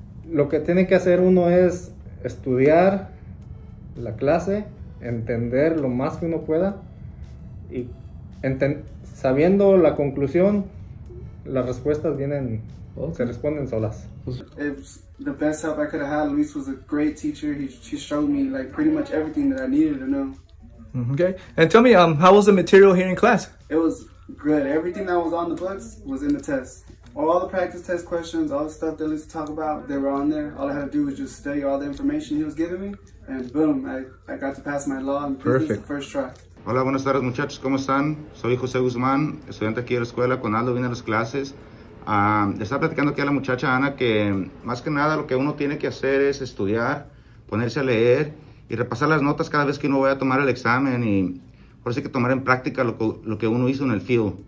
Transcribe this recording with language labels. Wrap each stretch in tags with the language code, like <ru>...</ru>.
<es>Lo que tiene que hacer uno es estudiar la clase, entender lo más que uno pueda y sabiendo la conclusión, las respuestas vienen, se responden solas.</es> <en>It's the best help I could have had. Luis was a great teacher. He showed me like pretty much everything that I needed to know. Okay, and tell me, how was the material here in class? It was good. Everything that was on the books was in the test. All the practice test questions, all the stuff that Luis talked about, they were on there. All I had to do was just study all the information he was giving me, and boom, I got to pass my law and business the first try.</en> <es>Hola, buenas tardes muchachos, ¿cómo están? Soy José Guzmán, estudiante aquí de la escuela, con Aldo vine a las clases. Le estaba platicando aquí a la muchacha Ana que más que nada lo que uno tiene que hacer es estudiar, ponerse a leer y repasar las notas cada vez que uno vaya a tomar el examen y por eso hay que tomar en práctica lo que uno hizo en el field.</es>